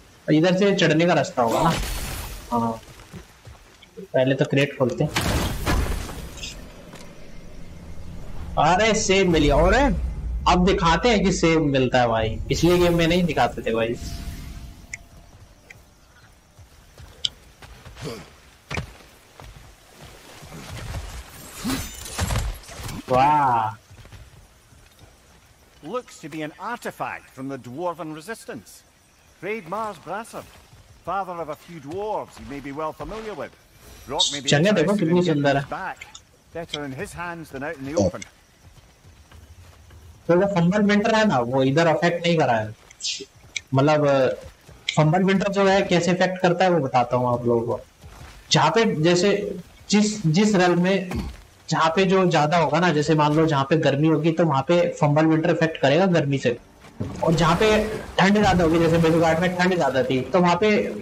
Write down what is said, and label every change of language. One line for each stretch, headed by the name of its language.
Hindi: इधर से चढ़ने का रास्ता होगा ना हाँ पहले तो क्रेट खोलते अरे सेव मिली और है? अब दिखाते हैं कि सेव मिलता है भाई पिछले गेम में नहीं दिखाते थे भाई वाह
English: Looks to be an artifact from the Dwarven Resistance. Raid Mars Brassard, father of a few dwarves you may be well familiar with. Brock may be interested in back. Better in his hands than out in the open.
Hindi: तो वो fumble winter है ना वो इधर affect नहीं कर रहा है मतलब फंबल विंटर जो है कैसे अफेक्ट करता है वो बताता हूँ आप लोगों को जहाँ पे जैसे जिस रेल में जहाँ पे जो ज्यादा होगा ना जैसे मान लो जहाँ पे गर्मी होगी तो वहां पे फंबल विंटर इफेक्ट करेगा गर्मी से और जहाँ पे ठंड ज्यादा होगी जैसे मिडगार्ड में ठंड ज्यादा थी तो वहां पे